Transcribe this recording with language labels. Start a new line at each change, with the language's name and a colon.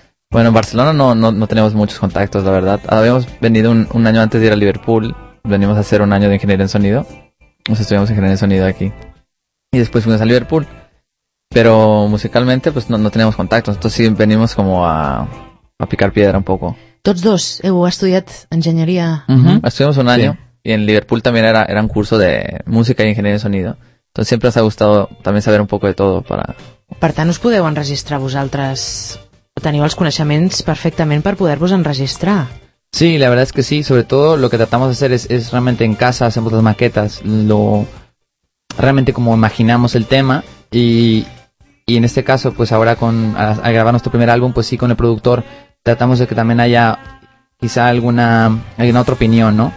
Spanish: Bueno, en Barcelona no tenemos muchos contactos, la verdad. Habíamos venido un año antes de ir a Liverpool, venimos a hacer un año de ingeniería en sonido, nos estudiamos ingeniería en sonido aquí y después fuimos a Liverpool, pero musicalmente pues no teníamos contactos, entonces sí venimos como a picar piedra un poco.
Catalan: Tots dos heu estudiat enginyeria.
Spanish: Uh-huh. Estudiamos un año, sí. Y en Liverpool también era un curso de música y ingeniería de sonido. Entonces siempre os ha gustado también saber un poco de todo para...
Catalan: Per tant, us podeu enregistrar vosaltres. Teniu els coneixements perfectament per poder-vos enregistrar.
Spanish: Sí, la verdad es que sí. Sobre todo lo que tratamos de hacer es realmente en casa, hacemos las maquetas, realmente como imaginamos el tema y en este caso, pues ahora al grabar nuestro primer álbum, pues sí, con el productor... Tratamos de que también haya quizá alguna otra opinión, ¿no?